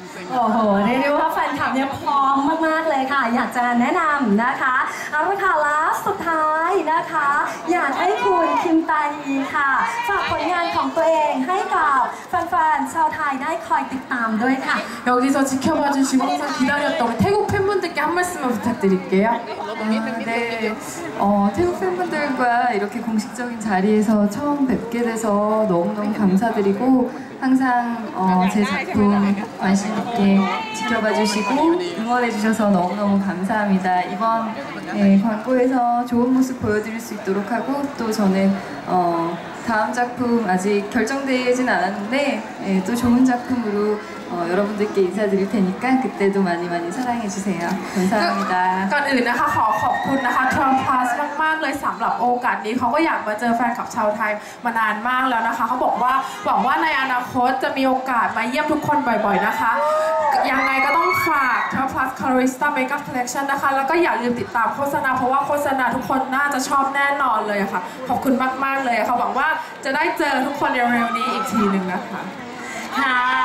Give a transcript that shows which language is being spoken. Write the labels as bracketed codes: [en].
[th] โอ้โหเรียกได้ว่าแฟนคลับเนี่ยพร้อมมากๆเลยค่ะอยากจะแนะนำนะคะเอาละค่ะล่าสุดท้ายนะคะอยากให้คุณคิมตาฮีค่ะฝากผลงานของตัวเองให้กับแฟนๆชาวไทยได้คอยติดตามด้วยค่ะ [ko] 여기서 지켜봐 주시고 항상 기다렸던 우리 태국 팬분들께 한 말씀만 부탁드릴게요. 네. 태국 팬분들과 이렇게 공식적인 자리에서 처음 뵙게 돼서 너무너무 감사드리고 항상 제 작품 관심 있게 지켜봐 주시고 응원해 주셔서 너무너무 감사합니다. 이번 광고에서 좋은 모습 보여드릴 수 있도록 하고 또 저는 다음 작품 아직 결정되진 않았는데 또 좋은 작품으로 여러분들께 인사드릴 테니까 그때도 많이 많이 사랑해 주세요. 감사합니다. [th] ก่อนอื่นนะคะขอบคุณนะคะทรัมพ์พลัสมากๆเลยสำหรับโอกาสนี้เขาก็อยากมาเจอแฟนคลับชาวไทยมานานมากแล้วนะคะเขาบอกว่าหวังว่าในอนาคตจะมีโอกาสมาเยี่ยมทุกคนบ่อยๆนะคะ ยังไงก็ต้องฝากทรัมพ์พลัสคาริสต้าเมกัฟคอลเลคชั่นนะคะแล้วก็อย่าลืมติดตามโฆษณาเพราะว่าโฆษณาทุกคนน่าจะชอบแน่นอนเลยค่ะขอบคุณมากๆเลยค่ะหวังว่าจะได้เจอทุกคนในเร็วนี้อีกทีนึงนะคะค่ะ